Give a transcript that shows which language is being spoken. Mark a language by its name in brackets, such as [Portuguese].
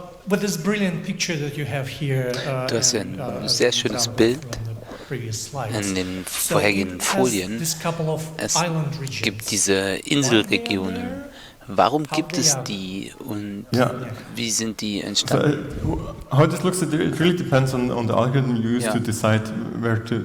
[English] With this brilliant picture that you have here, [German] das ist ein sehr schönes Bild in den vorherigen Folien. Es gibt diese Inselregionen. Warum gibt es die und wie sind die entstanden? [English] How this looks at it really depends on the algorithm you use to decide where